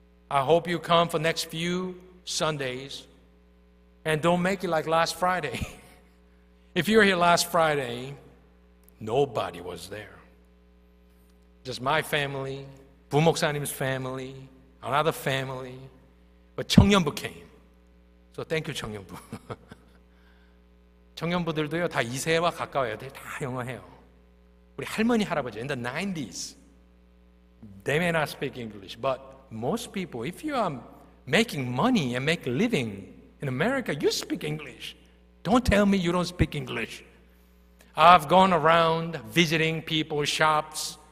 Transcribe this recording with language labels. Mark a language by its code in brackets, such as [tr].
[en] I hope you come for the next few Sundays. And don't make it like last Friday. If you were here last Friday, nobody was there. Just my family, 부목사님's family, another family, but 청년부 came. So thank you, 청년부. [ko] 청년부들도요, 다 2세와 가까워요. 다 영어해요. 우리 할머니, 할아버지, [en] in the 90s, they may not speak English, but most people, if you are making money and make a living in America, you speak English. Don't tell me you don't speak English. I've gone around visiting people's shops.